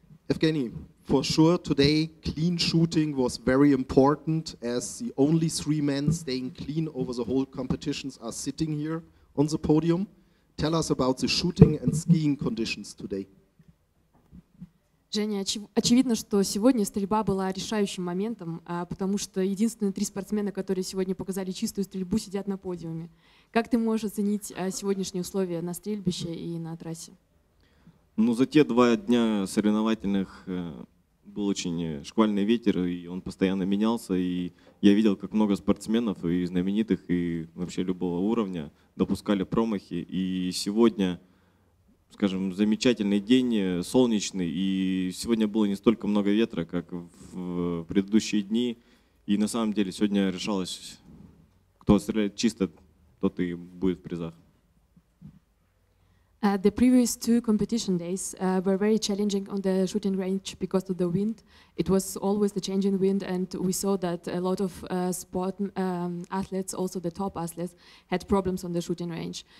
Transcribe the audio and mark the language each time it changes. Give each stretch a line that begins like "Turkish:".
English: Evgeny, for sure today clean shooting was very important, as the only three men staying clean over the whole competitions are sitting here on the podium. Tell us about the shooting and skiing conditions today.
Russian: Женя, очевидно, что сегодня стрельба была решающим моментом, потому что единственные три спортсмена, которые сегодня показали чистую стрельбу, сидят на подиуме. Как ты можешь оценить сегодняшние условия на стрельбище и на трассе? Ну, за те два дня соревновательных был очень шквальный ветер, и он постоянно менялся, и я видел, как много спортсменов, и знаменитых, и вообще любого уровня допускали промахи, и сегодня... Скажем, замечательный день, солнечный, и сегодня было не столько много ветра, как в предыдущие дни. И на самом деле сегодня решалось, кто стреляет чисто, тот и будет в призах.
English: The previous two competition days were very challenging on the shooting range because of the wind. It was always the changing wind, and we saw that a lot of sport athletes, also the top athletes, had problems on the shooting range.